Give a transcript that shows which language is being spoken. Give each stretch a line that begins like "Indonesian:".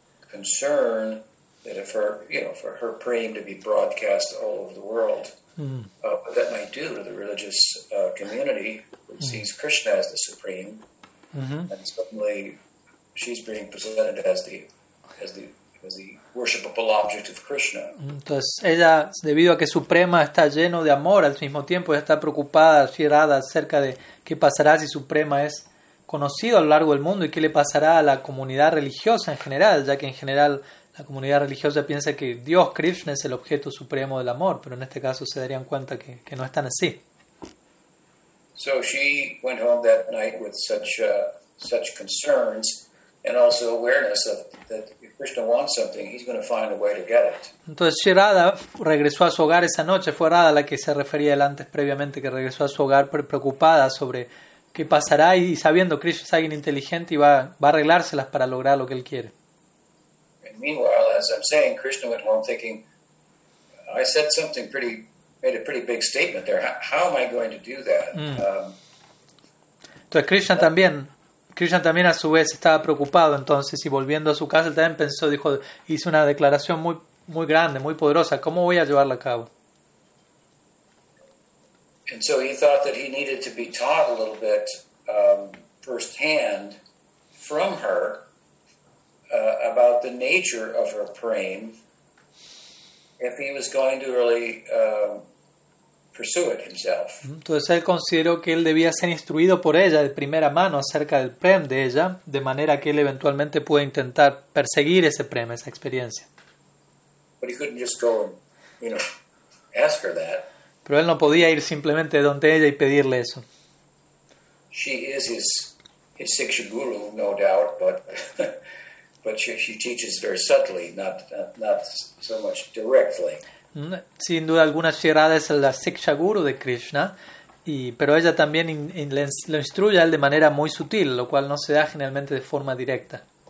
English: concern that if her, for her praying to be broadcast all over the world, what that might do to the religious community, which sees Krishna as the supreme, and suddenly she's being presented as the worshipable object of Krishna.
Spanish: Entonces ella, debido a que su prema está lleno de amor, al mismo tiempo ella está preocupada, fierada acerca de qué pasará si su prema es conocido a lo largo del mundo y qué le pasará a la comunidad religiosa en general, ya que en general La comunidad religiosa piensa que Dios, Krishna, es el objeto supremo del amor, pero en este caso se darían cuenta que no es tan así.
English: So she went home that night with such concerns and also awareness of that if Krishna wants something, he's going to find a way to get it.
Spanish: Entonces Radha regresó a su hogar esa noche. Fue Radha la que se refería él antes previamente, que regresó a su hogar preocupada sobre qué pasará y sabiendo que Krishna es alguien inteligente y va a arreglárselas para lograr lo que él quiere.
English: And meanwhile, as I'm saying, Krishna went home thinking, I said something pretty, made a pretty big statement there. How am I going to do that?
Spanish: Entonces Krishna también a su vez estaba preocupado entonces y volviendo a su casa, él también pensó, dijo, hice una declaración muy, muy grande, muy poderosa, ¿cómo voy a llevarla a cabo?
English: And so he thought that he needed to be taught a little bit firsthand from her about the nature of her praying if he was going to really pursue it himself.
Spanish: Entonces él consideró que él debía ser instruido por ella de primera mano acerca del prem de ella, de manera que él eventualmente pueda intentar perseguir ese prem, esa experiencia.
English: But he couldn't just go and, you know, ask her that.
Spanish: Pero él no podía ir simplemente donde ella y pedirle eso.
English: She is his siksha guru, no doubt, but she teaches very subtly, not so much directly.
Spanish: Sin duda alguna, Radha es la siksha guru de Krishna, pero ella también lo instruye a él de manera muy sutil, lo cual no se da generalmente de forma directa.